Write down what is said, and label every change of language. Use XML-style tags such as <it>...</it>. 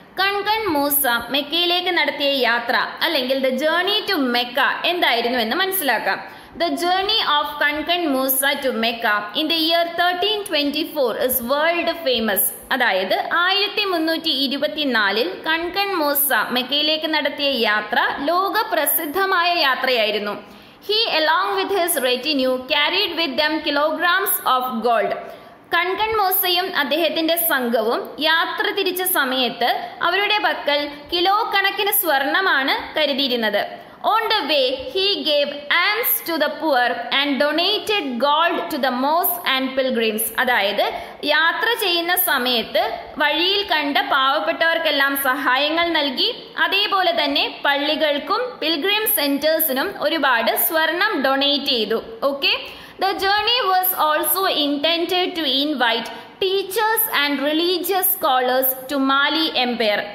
<ml>കൺകൺ മൂസ മെക്കയിലേക്ക് നടത്തിയ യാത്ര അല്ലെങ്കിൽ</ml> <en>the journey to Mecca</en> <ml>എന്തായിരുന്നു എന്ന് മനസ്സിലാക്കാം.</ml> <en>The journey of Kankan Musa to Mecca in the year 1324 is world famous.</en> <ml>അതായത് 1324 കൺകൺ മൂസ മെക്കയിലേക്ക് നടത്തിയ യാത്ര ലോക പ്രസിദ്ധമായ യാത്രയായിരുന്നു.</ml> <en>He along with his retinue carried with them kilograms of gold.</en> <ml>Kangan മൂസയും അദ്ദേഹത്തിന്റെ സംഘവും യാത്ര തിരിച്ച സമയത്ത് അവരുടെ പക്കൽ കിലോ കണക്കിന് സ്വർണമാണ് കരുതിയിരുന്നത്.</ml> <en>On the way, he gave alms to the poor and donated gold to the mosques and pilgrims.</en> <ml>അതായത് യാത്ര ചെയ്യുന്ന സമയത്ത് വഴിയിൽ കണ്ട പാവപ്പെട്ടവർക്കെല്ലാം സഹായങ്ങൾ നൽകി, അതേപോലെ തന്നെ പള്ളികൾക്കും പിൽഗ്രിം സെന്റേഴ്സിനും ഒരുപാട് സ്വർണം ഡൊണേറ്റ് ചെയ്തു.</ml> <en>Okay, the journey was also intended to invite teachers and religious scholars to Mali empire.</en>